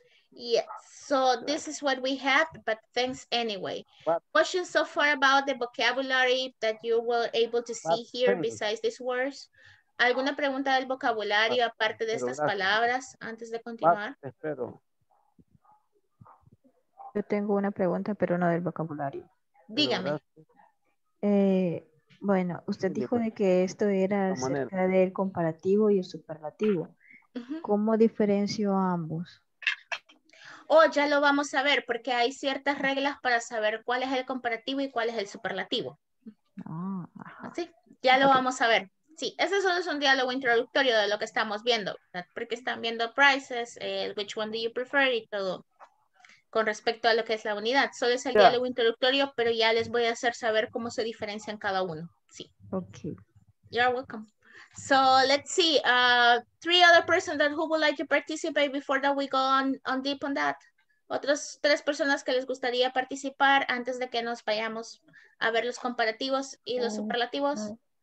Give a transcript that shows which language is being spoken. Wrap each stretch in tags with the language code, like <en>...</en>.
<en>Yes, so this is what we have, but thanks anyway. Questions so far about the vocabulary that you were able to see here besides these words?</en> <es>¿Alguna pregunta del vocabulario aparte de estas palabras antes de continuar? Espero. Yo tengo una pregunta, pero no del vocabulario. Dígame. Bueno, usted dijo de que esto era acerca del comparativo y el superlativo. ¿Cómo diferencio a ambos? Oh, ya lo vamos a ver, porque hay ciertas reglas para saber cuál es el comparativo y cuál es el superlativo. Sí, ya lo vamos a ver. Sí, ese solo es un diálogo introductorio de lo que estamos viendo, ¿verdad? Porque están viendo</es> <en>prices, which one do you prefer</en> <es>y todo con respecto a lo que es la unidad. Solo es el diálogo introductorio, pero ya les voy a hacer saber cómo se diferencian cada uno. Sí.</es> <en>Okay. You're welcome. So let's see, three other persons that who would like to participate before that we go on deep on that.</en> <es>Otras tres personas que les gustaría participar antes de que nos vayamos a ver los comparativos y los superlativos.</es>